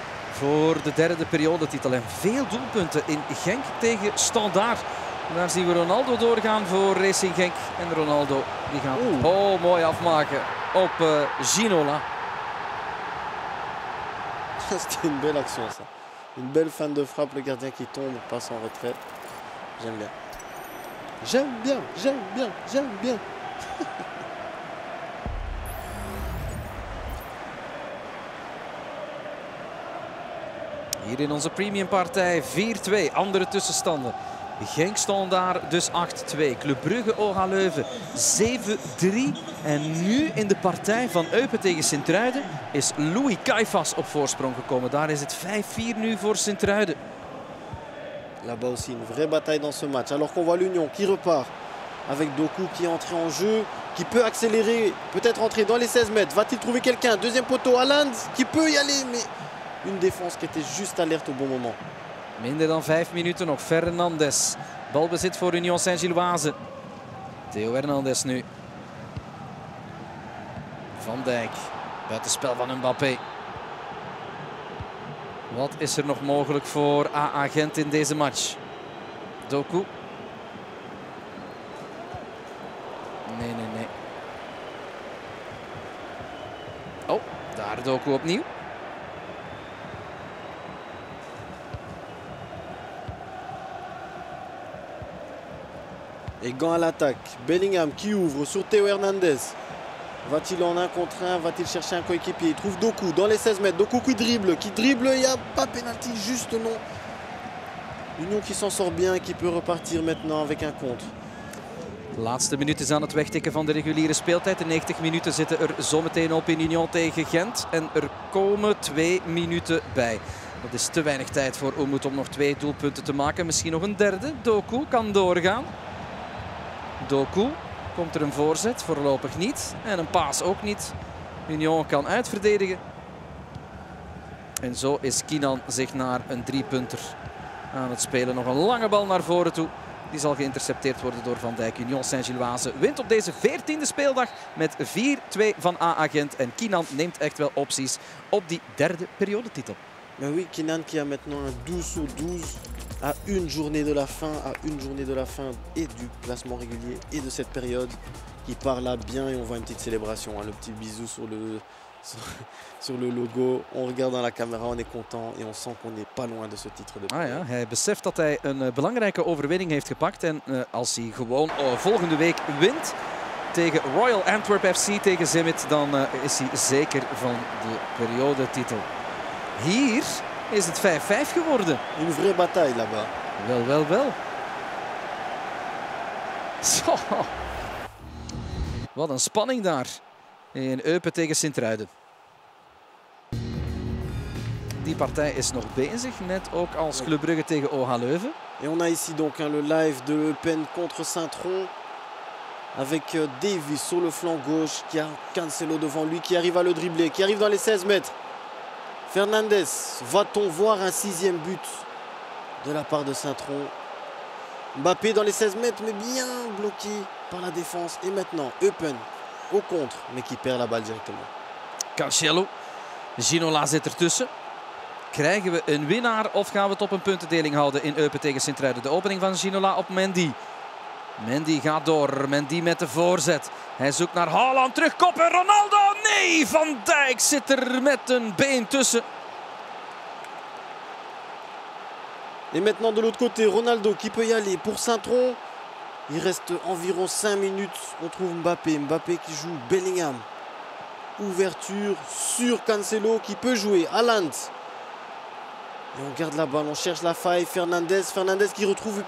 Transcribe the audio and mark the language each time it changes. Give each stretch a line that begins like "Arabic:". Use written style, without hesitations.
Dutch: Voor de derde periode titel. En veel doelpunten in Genk tegen Standard. Daar zien we Ronaldo doorgaan voor Racing Genk. En Ronaldo die gaat mooi afmaken op Ginola. Dat is een
French: belle action.
Dutch: Een
French: belle fin de frappe. Le gardien qui tombe, passe en retrait. J'aime bien. J'aime bien, j'aime bien, j'aime bien.
Dutch: Hier in onze premiumpartij 4-2, andere tussenstanden. Genk stond daar dus 8-2. Club Brugge, OHA Leuven 7-3. En nu in de partij van Eupen tegen Sint-Truiden is Louis Kaifas op voorsprong gekomen. Daar is het 5-4 nu voor Sint-Truiden.
French: Là-bas aussi une vraie bataille dans ce match. Alors qu'on voit l'Union qui repart avec Doku qui est entré en jeu, qui peut accélérer, peut-être entrer dans les 16 mètres. Va-t-il trouver quelqu'un? Deuxième poteau, Haaland qui peut y aller, mais une défense qui était juste alerte au bon moment.
Dutch: Minder dan 5 minuten nog. Fernandes. Balbezit voor Union Saint-Gilloise. Theo Hernandez nu. Van Dijk. Buitenspel van Mbappé. Wat is er nog mogelijk voor AA Gent in deze match? Doku. Nee. Oh, daar Doku opnieuw.
French: Et gant à l'attaque. Bellingham qui ouvre sur Théo Hernandez. Va-t-il en un contre un? Va-t-il chercher un coéquipier? Il trouve Doku dans les 16 mètres. Doku qui dribble. Il n'y a pas pénalty, juste non. L'Union qui s'en sort bien, qui peut repartir maintenant avec un contre.
Dutch: Laatste minuut is aan het wegtikken van de reguliere speeltijd. De 90 minuten zitten er zometeen op in Union tegen Gent. En er komen 2 minuten bij. Dat is te weinig tijd voor Umut om nog 2 doelpunten te maken. Misschien nog een derde. Doku kan doorgaan. Doku, komt er een voorzet? Voorlopig niet. En een paas ook niet. Union kan uitverdedigen. En zo is Kinan zich naar een 3-punter aan het spelen. Nog een lange bal naar voren toe. Die zal geïntercepteerd worden door Van Dijk. Union Saint-Gilloise wint op deze 14e speeldag met 4-2 van AA Gent. En Kinan neemt echt wel opties op die derde periodetitel. Maar
French: oui, Kinan qui a maintenant un 12 sur 12. À une journée de la fin, et du classement régulier et de cette période, qui part là bien et on voit une petite célébration, hein, le petit bisou sur le logo. On regarde dans la caméra, on est content et on sent qu'on n'est pas loin de ce titre de.
Dutch: Ah ja, hij beseft dat hij een belangrijke overwinning heeft gepakt en als hij gewoon volgende week wint tegen Royal Antwerp FC tegen Zimit, dan is hij zeker van de periodetitel. Hier. Is het 5-5 geworden? Een
French: vraie bataille là-bas.
Dutch: Wel. Zo. Wat een spanning daar. In Eupen tegen Sint-Truiden. Die partij is nog bezig, net ook als Club Brugge tegen OHA Leuven.
French: En on a ici donc le live de Eupen contre Saint-Truiden. Avec Davy sur le flanc gauche, qui a Cancelo devant lui, qui arrive à le dribbler, qui arrive dans les 16 mètres. Fernandez, va-t-on voir un sixième but de la part de Saint-Truiden? Mbappé dans les 16 mètres, mais bien bloqué par la défense. Et maintenant, Eupen au contre, mais qui perd la balle directement.
Dutch: Cancelo, Ginola zit ertussen. Krijgen we een winnaar of gaan we het op een puntendeling houden in Eupen tegen Sint-Truiden? De opening van Ginola op Mendy. Mendy gaat door, Mendy met de voorzet. Hij zoekt naar Haaland, terugkoppen, Ronaldo. Nee, Van Dijk zit er met een been tussen.
French: En maintenant de l'autre côté, Ronaldo qui peut y aller pour Saint-Truiden. Il reste environ 5 minutes. On trouve Mbappé. Mbappé qui joue Bellingham. Ouverture sur Cancelo qui peut jouer. Haaland. Et on garde la balle, on cherche la faille. Fernandez. Fernandez qui retrouve.